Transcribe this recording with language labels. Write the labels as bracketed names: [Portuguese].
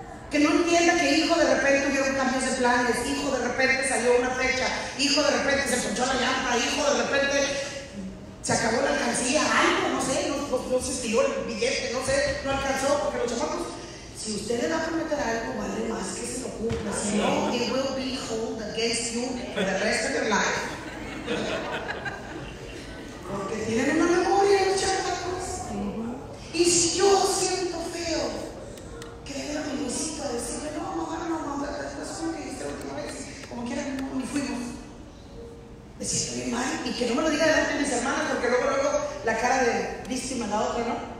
[Spanish] Que no entienda que hijo de repente tuvieron cambios de planes, hijo de repente salió una fecha, hijo de repente se ponchó la llanta, hijo de repente se acabó la alcancía, algo, no sé, no se estiró el billete, no sé, no alcanzó porque los chamacos. Si usted le va a prometer algo, vale más que se lo cumpla. Si no, [English] it will be held against you for the rest of your life. [Spanish] Porque tienen una memoria los chamacos. Y si yo siento feo, que era mi visita a decirle, no, mamá, no, mamá, la situación que hice la última vez, como quiera, no, ni fuimos. Me siento bien mal, y que no me lo diga delante de mis hermanas, porque luego la cara de víctima la otra, ¿no?